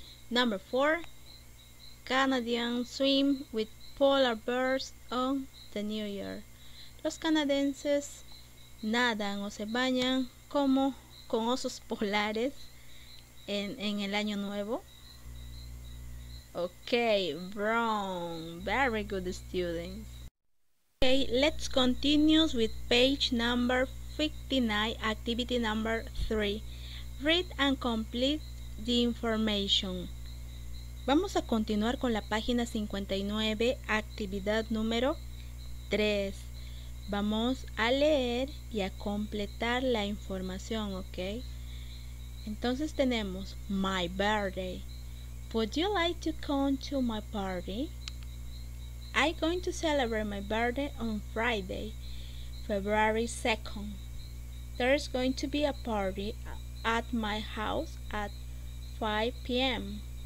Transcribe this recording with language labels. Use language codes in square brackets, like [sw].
[en] Number four, Canadians swim with polar bears on the New Year. [es] Los canadienses nadan o se bañan como con osos polares en el Año Nuevo. [en] Ok, wrong, very good students. Ok, let's continue with page number 59, activity number 3. Read and complete the information. [es] Vamos a continuar con la página 59, actividad número 3. Vamos a leer y a completar la información, ¿ok? Entonces tenemos [en] my birthday. Would you like to come to my party? I'm going to celebrate my birthday on Friday, February 2nd. There's going to be a party at my house at 5 p.m.